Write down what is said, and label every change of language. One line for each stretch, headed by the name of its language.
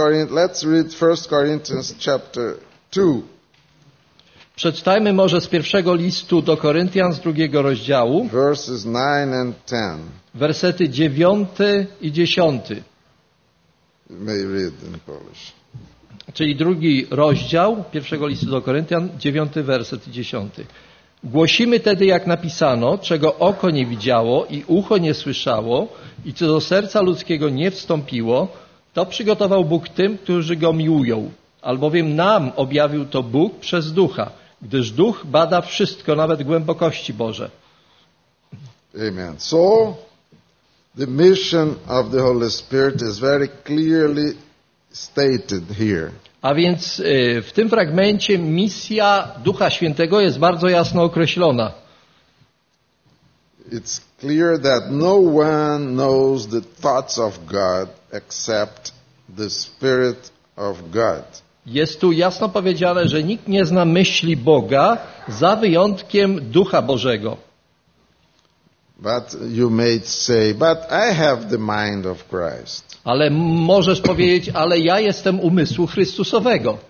English: Let's read 1 Corinthians chapter 2.
Polish: Przeczytajmy może z pierwszego listu do Koryntian z drugiego rozdziału.
English: Verses 9 and 10.
Polish: Wersety 9 i 10.
English: May read in Polish.
Polish: Czyli drugi rozdział pierwszego listu do Koryntian, 9 werset i 10. Głosimy tedy, jak napisano, czego oko nie widziało i ucho nie słyszało i co do serca ludzkiego nie wstąpiło, to przygotował Bóg tym, którzy Go miłują, albowiem nam objawił to Bóg przez Ducha, gdyż Duch bada wszystko, nawet głębokości Boże. Amen.
English: So, the mission of the Holy Spirit is very clearly stated here.
Polish: A więc w tym fragmencie misja Ducha Świętego jest bardzo jasno określona.
English: It's clear that no one knows the thoughts of God except the Spirit of God.
Polish: Jest tu jasno powiedziane, że nikt nie zna myśli Boga za wyjątkiem Ducha Bożego.
English: But you may say, but I have the mind of Christ.
Polish: Ale możesz powiedzieć, ale ja jestem umysłu Chrystusowego.